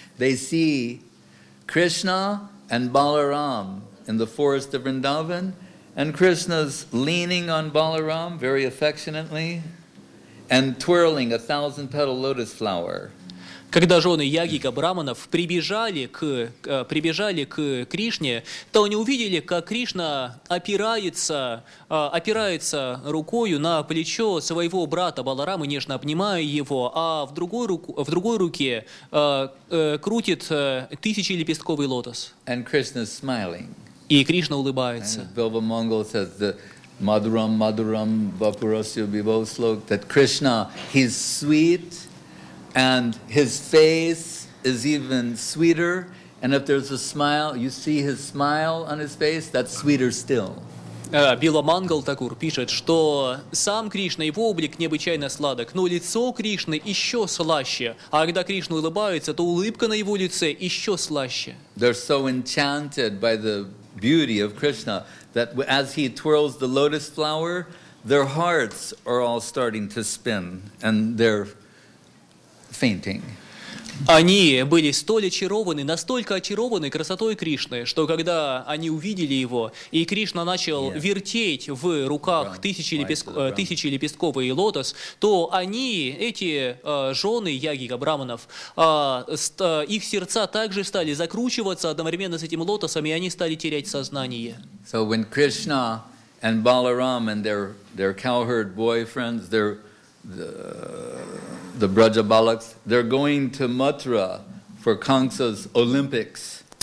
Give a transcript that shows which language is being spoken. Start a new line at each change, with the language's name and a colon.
English: They see Krishna and Balaram in the forest of Vrindavan, and Krishna's leaning on Balaram very affectionately. And twirling a thousand-petal lotus flower.
Russian: Когда жены Ягика Браманов прибежали к Кришне, то они увидели, как Кришна опирается рукою на плечо своего брата Баларамы, нежно обнимая его, а в другой руке крутит тысячелепестковый лотос.
English: And Krishna's smiling.
Russian: И Кришна улыбается.
English: Bilva Mongol says the
Sanskrit: Madhuram, Madhuram, Vapurasya Vibho
English: Slok, that Krishna, he's sweet, and his face is even sweeter, and if there's a smile, you see his smile on his face, that's sweeter still.
Russian: Била Мангал Такур пишет, что сам Кришна, его облик необычайно сладок, но лицо Кришны еще слаще, а когда Кришна улыбается, то улыбка на его лице еще слаще.
English: They're so enchanted by the beauty of Krishna, that as he twirls the lotus flower, their hearts are all starting to spin and they're fainting.
Russian: Они были столь очарованы, настолько очарованы красотой Кришны, что когда они увидели его, и Кришна начал вертеть в руках тысячи лепестков и лотос, то они, эти жены ягика, браманов, их сердца также стали закручиваться одновременно с этим лотосом, и они стали терять сознание.
English: So when Krishna and Balaram and their cowherd boyfriends, the Braja Balaks, they're going to Mathura for Kamsa's Olympics.